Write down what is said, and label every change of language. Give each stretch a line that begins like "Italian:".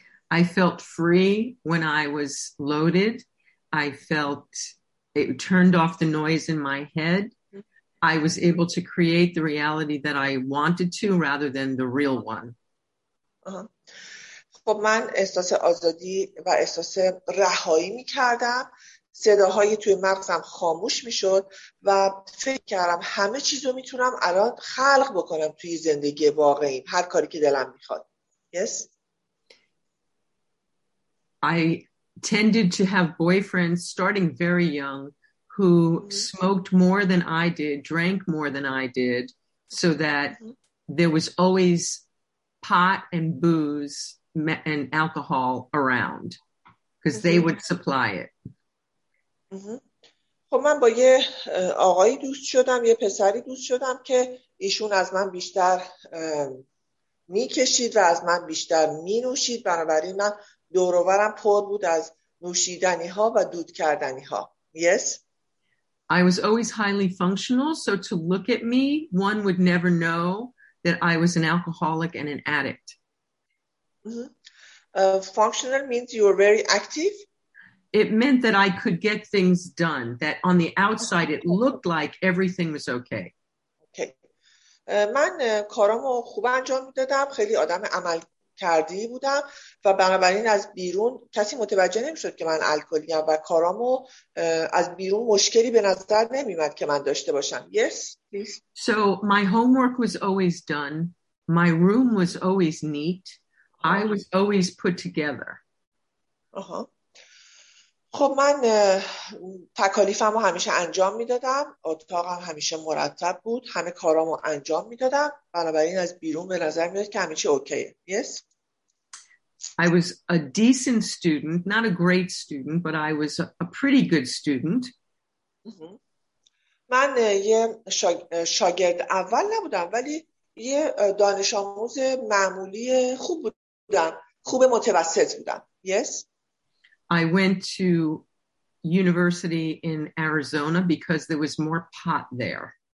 English: I felt free when I was loaded. I felt it turned off the noise in my head. I was able to create the reality that I wanted to rather than the real one.
Persian: خب من احساس آزادی و احساس رهایی می کردم. صداهای توی مغزم خاموش می شد و فکر کردم همه چیزو می تونم الان خلق بکنم توی زندگی واقعیم، هر کاری که دلم می خواد.
English: Yes. I tended to have boyfriends starting very young who smoked more than I did, drank more than I did, so that there was always pot and booze and alcohol around because they would supply it.
Persian: خب من با یه آقایی دوست شدم، یه پسری دوست شدم که ایشون از من بیشتر میکشید و از من بیشتر مینوشید، بنابراین من دوروبرم پر بود از نوشیدنی ها و دود کردنی ها.
English: Yes. I was always highly functional, so to look at me, one would never know that I was an alcoholic and an addict. Functional means you were very active. It meant that I could get things done, that on the outside it looked like everything was okay. Okay.
Persian: من کارامو خوب انجام میدادم، خیلی آدم عمل کردی بودم و بنابراین از بیرون کسی متوجه نمیشد که من الکلیم و کارامو از بیرون مشکلی به نظر نمیومد که من داشته باشم.
English: Yes, please. So my homework was always done. My room was always neat. I was always put together.
Persian: خب من تکالیفم رو همیشه انجام میدادم، اتاقم همیشه مرتب بود، همه کارامو انجام میدادم، بنابراین از بیرون به نظر میاد که همه چی اوکیه.
English: Yes. I was a decent student, not a great student, but I was a pretty good student.
Persian: من من یه شاگرد اول نبودم ولی یه دانش آموز معمولی خوب بودم. خوب متوسط بودم.
English: Yes. I went to university in Arizona because there was more pot there.